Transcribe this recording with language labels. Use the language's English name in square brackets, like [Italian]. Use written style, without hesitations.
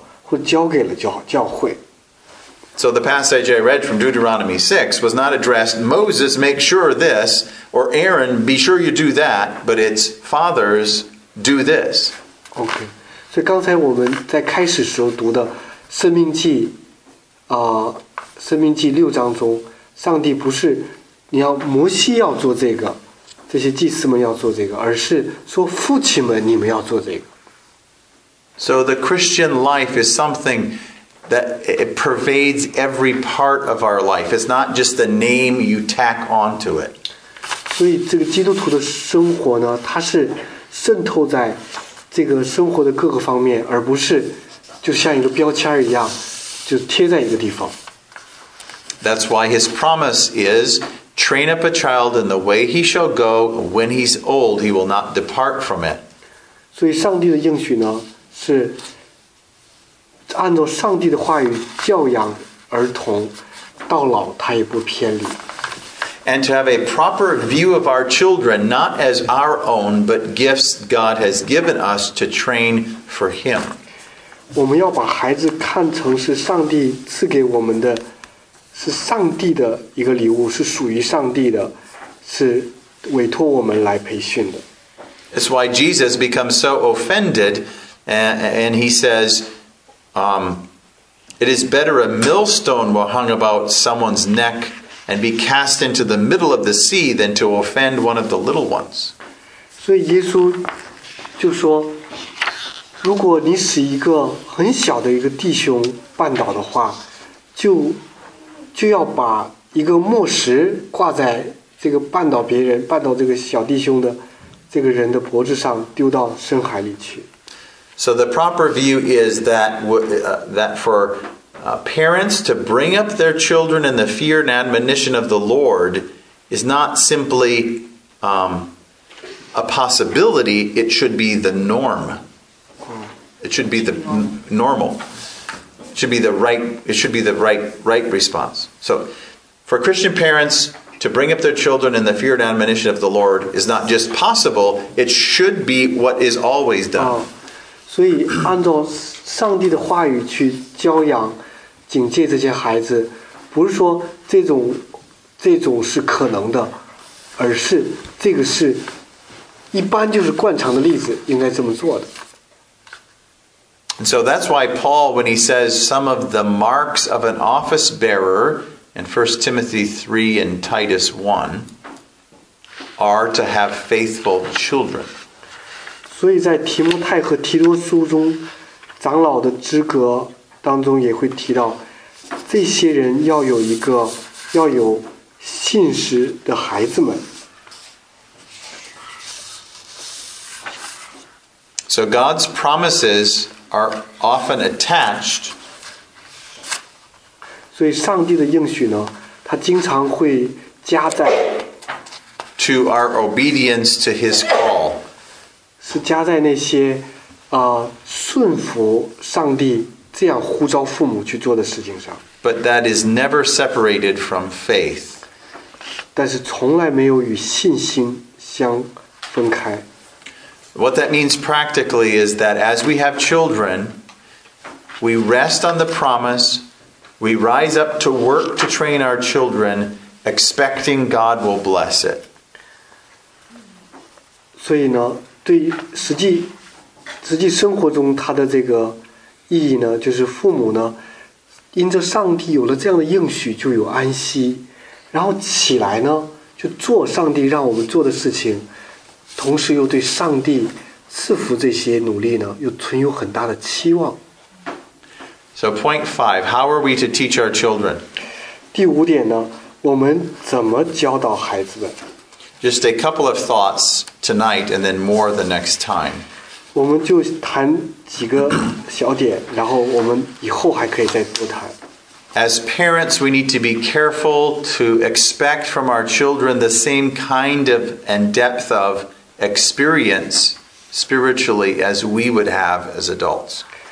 [Chinese] 有一个危险呢，就是我们把这个对孩子的培训和引导呢，这个责任就交给了基督教学校，或交给了教会。 [English] So the passage I read from Deuteronomy 6 was not addressed, Moses, make sure this, or Aaron, be sure you do that, but it's fathers, do this. Okay. [Chinese] So 刚才我们在开始时候读的《申命记》六章中，上帝不是摩西要做这个，这些祭司们要做这个，而是说父亲们你们要做这个。 [English] So the Christian life is something that it pervades every part of our life. It's not just the name you tack onto it. [Chinese] 所以这个基督徒的生活呢，它是渗透在这个生活的各个方面，而不是就像一个标签一样，就贴在一个地方。 [English] That's why his promise is Train up a child in the way he shall go. When he's old, he will not depart from it. [Chinese] 所以上帝的应许呢，是按照上帝的话语教养儿童，到老他也不偏离。 [English] And to have a proper view of our children, not as our own, but gifts God has given us to train for Him. [Chinese] 我们要把孩子看成是上帝赐给我们的，是上帝的一个礼物，是属于上帝的，是委托我们来培训的。 [English] That's why Jesus becomes so offended, and he says, it is better a millstone were hung about someone's neck and be cast into the middle of the sea than to offend one of the little ones. [Chinese] 所以耶稣就说，如果你使一个很小的一个弟兄绊倒的话，就要把一个磨石挂在这个绊倒别人、绊倒这个小弟兄的这个人的脖子上，丢到深海里去。 [English] So the proper view is that for parents to bring up their children in the fear and admonition of the Lord is not simply a possibility, it should be the norm. It should be the normal. It should be the right response. So for Christian parents to bring up their children in the fear and admonition of the Lord is not just possible, it should be what is always done. [Chinese] 所以按照上帝的话语去教养警戒这些孩子，不是说这种是可能的，而是这个是一般就是惯常的例子，应该这么做的。 [English] And so that's why Paul, when he says some of the marks of an office bearer in 1 Timothy 3 and Titus 1, are to have faithful children. [Chinese] 所以在提摩太和提多书中，长老的资格当中也会提到。这些人要有一个要有信实的孩子们。 [English] So God's promises are often attached. [Chinese] 所以上帝的应许呢，他经常会加在 [English] to our obedience to His call. [Chinese] 是加在那些顺服上帝这样呼召父母去做的事情上。 [English] But that is never separated from faith. [Chinese] 但是从来没有与信心相分开。 [English] What that means practically is that as we have children, we rest on the promise, we rise up to work to train our children, expecting God will bless it. [Chinese] 所以呢，对于实际生活中它的这个意义呢，就是父母呢因着上帝有了这样的应许就有安息，然后起来呢就做上帝让我们做的事情，同时又对上帝赐福这些努力呢又存有很大的期望。 [English] So point five, how are we to teach our children? [Chinese] 第五点呢，我们怎么教导孩子们？ [English] Just a couple of thoughts tonight and then more the next time. [Chinese] 我们就谈几个小点，然后我们以后还可以再多谈。 [English] As parents, we need to be careful to expect from our children the same kind of and depth of experience spiritually as we would have as adults.